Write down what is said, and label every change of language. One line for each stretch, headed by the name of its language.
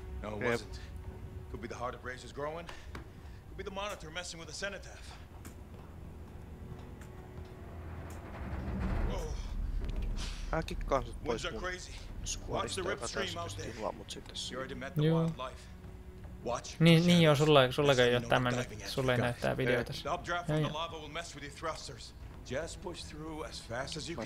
English: No, it wasn't. Could be the heart of Razor's growing. Could be the monitor messing with the cenotaph. Whoa. Words are crazy. Watch the rip stream out there. You already met the wildlife. Watch.
Finnish: Niin joo, sullakaan ei ole tämä nyt. Sulle ei näyttää video tässä.
English: The updraft from the lava will mess with your thrusters. Just push through as fast as you can.